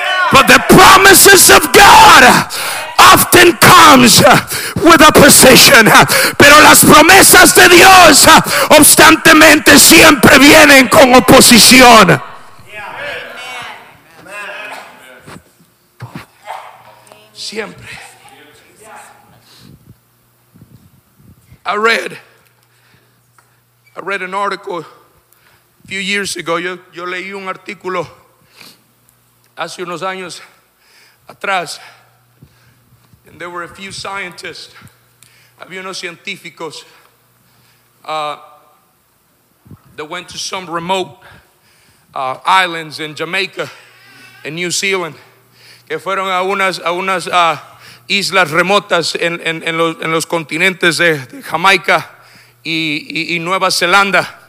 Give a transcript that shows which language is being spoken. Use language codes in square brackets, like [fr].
[en] But the promises of God often comes with a position. [es] Pero las promesas de Dios obstantemente siempre vienen con oposición. Siempre. [en] I read an article a few years ago. [es] Yo leí un artículo hace unos años atrás. [en] There were a few scientists. [es] Había unos científicos [en] that went to some remote islands in Jamaica and New Zealand. [es] Que fueron a unas islas remotas en los continentes de Jamaica y Nueva Zelanda.